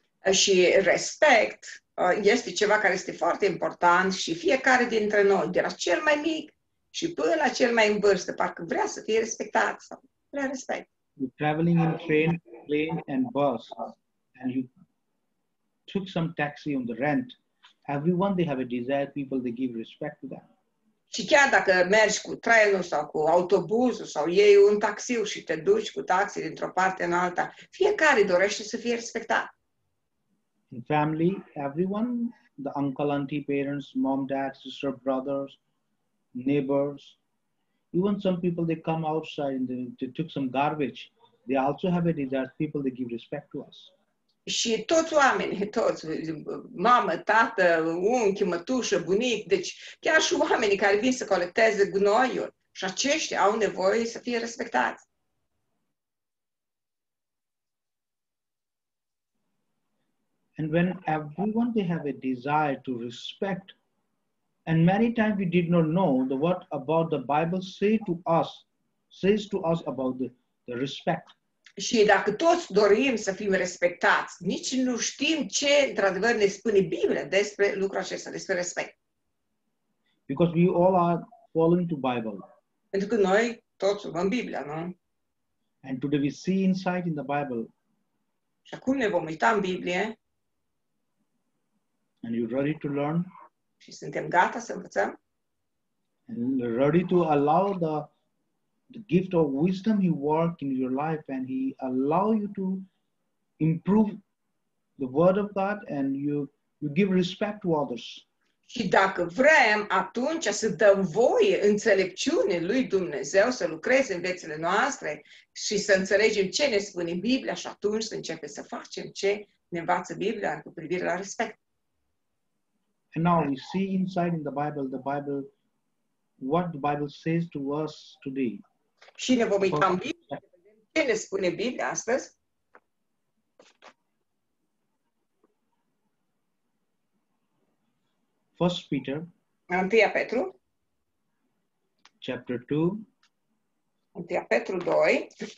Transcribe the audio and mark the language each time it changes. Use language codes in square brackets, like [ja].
[ro] Și respect este ceva care este foarte important și fiecare dintre noi, de la cel mai mic și până la cel mai în vârstă, parcă vrea să fie respectat sau vrea respect. [en] You're traveling in train, plane, and bus, and you took some taxi on the rent. Everyone they have a desire, people they give respect to them. [ro] Și chiar dacă mergi cu trenul sau cu autobuzul sau iei un taxi și te duci cu taxi dintr-o parte în alta, fiecare dorește să fie respectat. [en] In family, everyone, the uncle, auntie, parents, mom, dad, sister, brothers, neighbors, even some people they come outside and they took some garbage, they also have a desire, people they give respect to us. [ro] Și toți oamenii, toți, mamă, tată, unchi, mătușă, bunic, deci chiar și oamenii care vin să colecteze gunoiul și aceștia au nevoie să fie respectați. [en] And when everyone they have a desire to respect, and many times we did not know the what about the Bible says to us about the respect. [ro] Și dacă toți dorim să fim respectați, nici nu știm ce într-adevăr ne spune Biblia despre lucrul acesta, despre respect. [en] Because we all are falling to Bible. [ro] Pentru că noi toți urmăm Biblia, nu? [en] And today we see insight in the Bible. [ro] Și acum ne vom uita în Biblie. [en] And you ready to learn? [ro] Și suntem gata să învățăm? [en] And ready to allow the gift of wisdom he work in your life and he allow you to improve the word of God and you give respect to others. [ro] Și dacă vrem, atunci să dăm voie înțelepciune lui Dumnezeu să lucreze în viețile noastre și să înțelegem ce ne spune Biblia și atunci să începem să facem ce ne învață Biblia cu privire la respect. [en] And now we see inside in the Bible, what the Bible says to us today. [ro] Și ne vom uita în Biblia, să vedem ce ne spune Biblia astăzi. [en] First Peter. [ro] 1 Petru. [en] Chapter 2. [ro] 1 Petru 2.